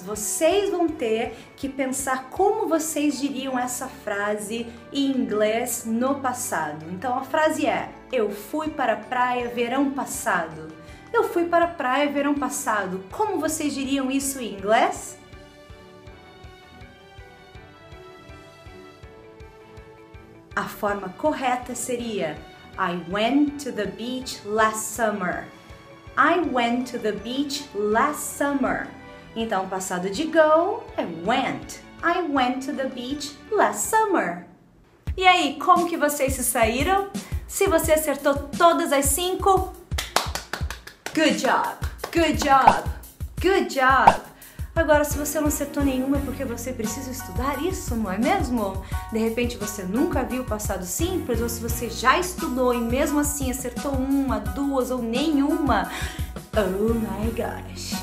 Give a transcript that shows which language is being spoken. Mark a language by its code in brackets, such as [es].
[pt] Vocês vão ter que pensar como vocês diriam essa frase em inglês no passado. Então a frase é, eu fui para a praia verão passado. Eu fui para a praia verão passado. Como vocês diriam isso em inglês? A forma correta seria, [en] I went to the beach last summer. I went to the beach last summer. [pt] Então, passado de go é went. [en] I went to the beach last summer. [pt] E aí, como que vocês se saíram? Se você acertou todas as cinco, [en] good job, good job, good job. [pt] Agora, se você não acertou nenhuma, é porque você precisa estudar isso, não é mesmo? De repente, você nunca viu o passado simples, ou se você já estudou e mesmo assim acertou uma, duas ou nenhuma, [en] oh my gosh!